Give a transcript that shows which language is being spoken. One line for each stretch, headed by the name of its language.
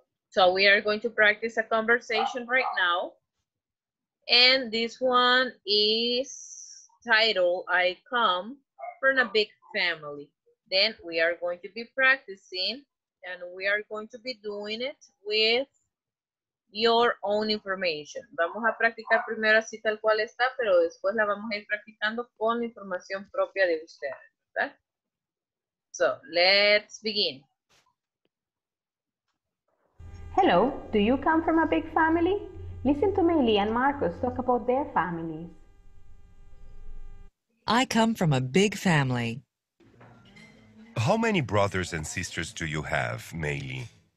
English: So we are going to practice a conversation right now. And this one is titled, I come from a big family. Then we are going to be practicing and we are going to be doing it with your own information.
Spanish: Vamos a practicar primero así tal cual está, pero después la vamos a ir practicando con la información propia de ustedes, ¿verdad?
English: So, let's begin. Hello, do you come from a big family? Listen to Meili and Marcos talk about their families. I come from a big family. How many brothers and sisters do you have, Meili?